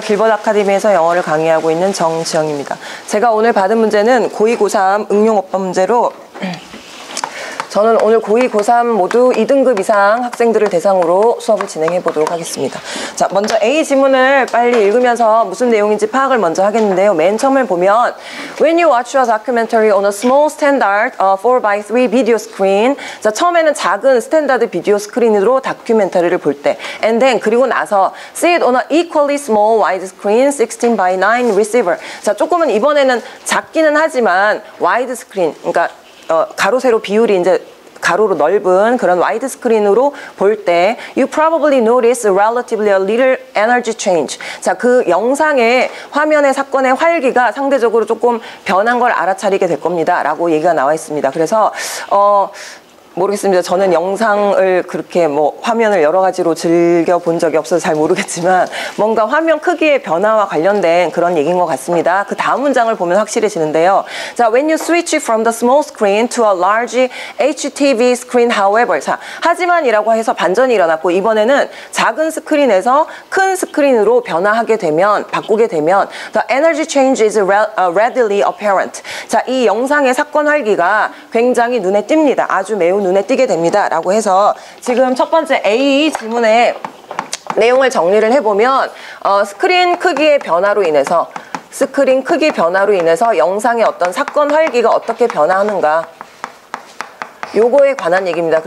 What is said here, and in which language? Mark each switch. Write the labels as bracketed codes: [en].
[ko] 길벗 아카데미에서 영어를 강의하고 있는 정지영입니다. 제가 오늘 받은 문제는 고2, 고3 응용어법 문제로 저는 오늘 고2, 고3 모두 2등급 이상 학생들을 대상으로 수업을 진행해 보도록 하겠습니다. 자, 먼저 A 지문을 빨리 읽으면서 무슨 내용인지 파악을 먼저 하겠는데요. 맨 처음을 보면 [en] When you watch a documentary on a small standard 4x3 video screen. [ko] 자, 처음에는 작은 스탠다드 비디오 스크린으로 다큐멘터리를 볼 때 [en] and then [ko] 그리고 나서 [en] see it on a equally small wide screen 16x9 receiver. [ko] 자, 조금은 이번에는 작기는 하지만 wide screen 그러니까 가로 세로 비율이 이제 가로로 넓은 그런 와이드 스크린으로 볼 때 [en] you probably notice relatively a little energy change. [ko] 자, 그 영상의 화면의 사건의 활기가 상대적으로 조금 변한 걸 알아차리게 될 겁니다 라고 얘기가 나와 있습니다. 그래서 모르겠습니다. 저는 영상을 그렇게 뭐 화면을 여러 가지로 즐겨 본 적이 없어서 잘 모르겠지만 뭔가 화면 크기의 변화와 관련된 그런 얘기인 것 같습니다. 그 다음 문장을 보면 확실해지는데요. [en] 자, when you switch from the small screen to a large HTV screen, however. [ko] 자, 하지만이라고 해서 반전이 일어났고 이번에는 작은 스크린에서 큰 스크린으로 변화하게 되면 바꾸게 되면 [en] the energy change is readily apparent. [ko] 자, 이 영상의 사건 활기가 굉장히 눈에 띕니다. 아주 매우 눈에 띄게 됩니다 라고 해서 지금 첫 번째 A 지문의 내용을 정리를 해보면 스크린 크기의 변화로 인해서 스크린 크기 변화로 인해서 영상의 어떤 사건 활기가 어떻게 변화하는가 요거에 관한 얘기입니다.